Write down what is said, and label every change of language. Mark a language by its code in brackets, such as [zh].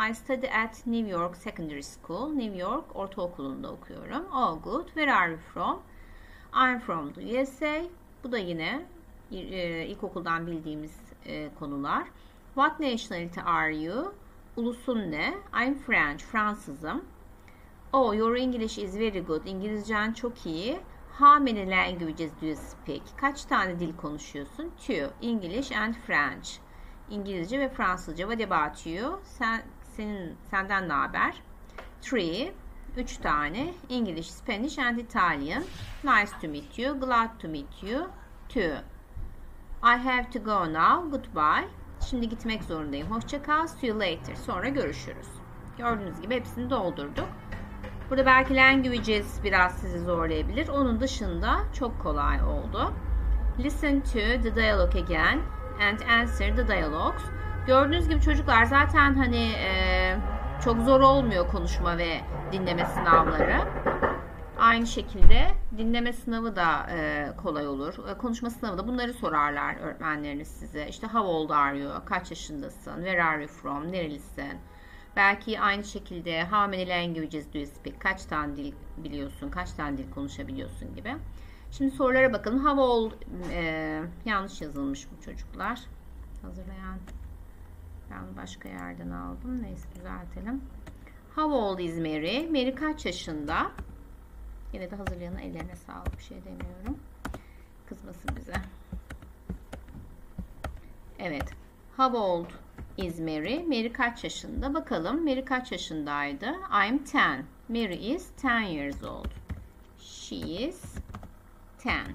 [en] I study at New York Secondary School. New York [tr] Ortaokulunda okuyorum. [en] Oh, good. Where are you from? I'm from the USA. [tr] Bu da yine ilkokuldan bildiğimiz konular. [en] What nationality are you? [tr] Ulusun ne? [en] I'm French. [tr] Fransızım. [en] Oh, your English is very good. [tr] İngilizcen çok iyi. [en] How many languages do you speak? [tr] Kaç tane dil konuşuyorsun? [en] Two. English and French. [tr] İngilizce ve Fransızca. [en] What about you? [tr] Senden ne haber? Three. Üç tane. [en] English, Spanish and Italian. Nice to meet you. Glad to meet you. Two. I have to go now. Goodbye. [tr] Şimdi gitmek zorundayım. Hoşça kal. [en] See you later. [tr] Sonra görüşürüz. Gördüğünüz gibi hepsini doldurduk. Burada belki languages biraz sizi zorlayabilir. Onun dışında çok kolay oldu. [en] Listen to the dialogue again and answer the dialogues. [tr] Gördüğünüz gibi çocuklar zaten hani çok zor olmuyor konuşma ve dinleme sınavları. Aynı şekilde dinleme sınavı da kolay olur. Konuşma sınavı da bunları sorarlar öğretmenleriniz size. [en] İşte how old are you? [tr] Kaç yaşındasın? [en] Where are you from? [tr] Nerelisin? Belki aynı şekilde [en] how many languages do you speak? [tr] Kaç tane dil biliyorsun? Kaç tane dil konuşabiliyorsun gibi. Şimdi sorulara bakalım. [en] How old [tr] yanlış yazılmış bu çocuklar. Hazırlayan ben başka yerden aldım. Neyse düzeltelim. [en] How old is Mary? [tr] Mary kaç yaşında? Yine de hazırlayanın ellerine sağlık, bir şey demiyorum. Kızmasın bize. Evet. [en] How old is Mary? [tr] Mary kaç yaşında? Bakalım Mary kaç yaşındaydı? [en] I'm 10. Mary is 10 years old. She is 10.